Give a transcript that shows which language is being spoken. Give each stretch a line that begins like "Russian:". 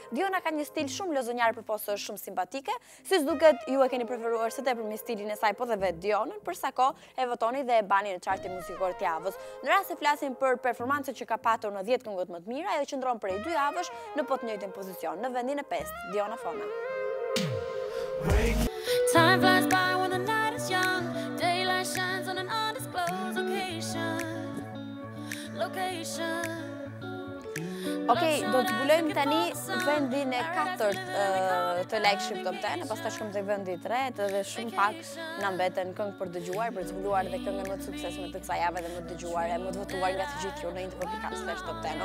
Albanian: Diona ka një stil shumë lozonjar por posa shumë simpatike. Siç duket, ju e keni preferuar së tepër me stilin e saj po dhe vetë Dionën, për sa kohë e votoni dhe e bani në chartin muzikor të javës. Në rast se flasim për performancën që ka patur në 10 këngët më të mira, ajo qëndron prej 2 javësh në po të njëjtën pozicion, në vendin e 5, Diona Fona.
English: Time flies by when the night is young. Daylight shines on an undisclosed location. Location.
Albanian: Okay, do të zbulojmë tani vendin e 4 të Lekship Top 10, e pastaj shkojmë tek vendi i 3 dhe shumë pak na mbeten këngë për dëgjuar, për zbuluar dhe këngën më të suksesshme të kësaj jave dhe më të dëgjuar, më të votuar nga të gjithë ju në intervjuin.